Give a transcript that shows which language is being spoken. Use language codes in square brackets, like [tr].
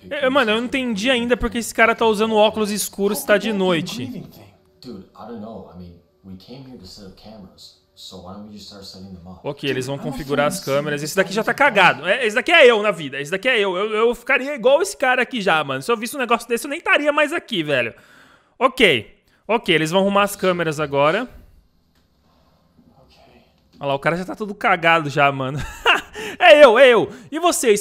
[pt] Mano, eu não entendi ainda porque esse cara tá usando óculos escuros e tá de noite. [en] Dude, I don't know. I mean, we came here to set up cameras. So why don't we just start setting them up? [pt] Ok, eles vão configurar as câmeras. Esse daqui já tá cagado. Esse daqui é eu na vida. Esse daqui é eu. Eu ficaria igual esse cara aqui já, mano. Se eu visse um negócio desse, eu nem estaria mais aqui, velho. Ok. Ok, eles vão arrumar as câmeras agora. Olha lá, o cara já tá todo cagado já, mano. É eu. E vocês?